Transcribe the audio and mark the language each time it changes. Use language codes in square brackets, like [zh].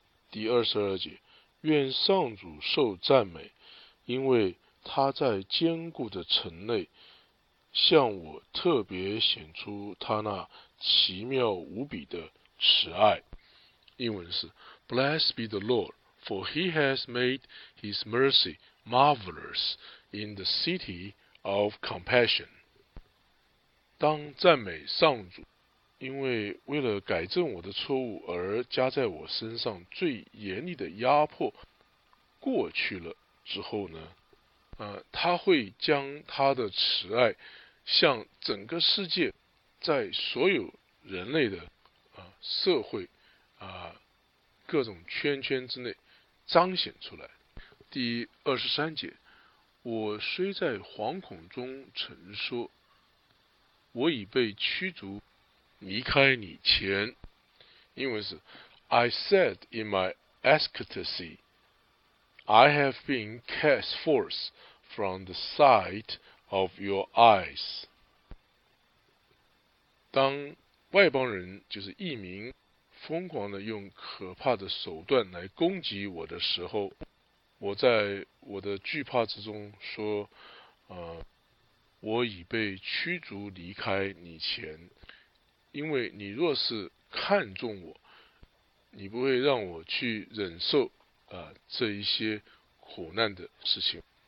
[zh] 第二十二节，愿上主受赞美，因为他在坚固的城内向我特别显出他那奇妙无比的慈爱。英文是 [en] Blessed be the Lord, for he has made his mercy marvelous in the city of compassion. [zh] 当赞美上主，因为为了改正我的错误而加在我身上最严厉的压迫过去了之后呢，他会将他的慈爱向整个世界，在所有人类的社会各种圈圈之内彰显出来。第二十三节，我虽在惶恐中曾说，我已被驱逐离开你前。英文是 [en] I said in my ecstasy, I have been cast forth from the sight of your eyes. [zh] 当外邦人就是异民疯狂地用可怕的手段来攻击我的时候，我在我的惧怕之中说我已被驱逐离开你前，因为你若是看中我，你不会让我去忍受这一些苦难的事情。